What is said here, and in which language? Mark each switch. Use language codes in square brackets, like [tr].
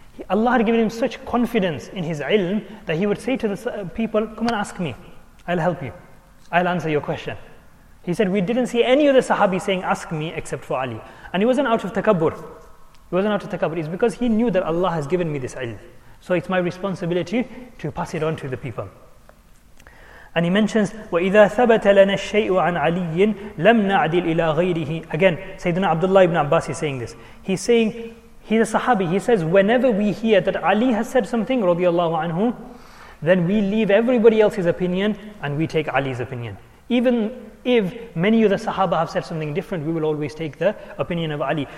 [en] Allah had given him such confidence in his ilm that he would say to the people, "Come and ask me, I'll help you, I'll answer your question." He said, "We didn't see any other Sahabi saying, 'Ask me,' except for Ali." And it wasn't out of takabbur. It wasn't out of takabbur. It's because he knew that Allah has given me this ilm. So it's my responsibility to pass it on to the people. [ar] And he mentions, وَإِذَا ثَبَتَ لَنَا الشَّيْءُ عَنْ عَلِيٍّ لَمْ نَعْدِلْ إِلَىٰ غَيْرِهِ. [en] Again, Sayyidina Abdullah ibn Abbas is saying this. He's saying, he's a Sahabi. He says, whenever we hear that Ali has said something, radiallahu anhu, then we leave everybody else's opinion and we take Ali's opinion. Even if many of the Sahaba have said something different, we will always take the opinion of Ali.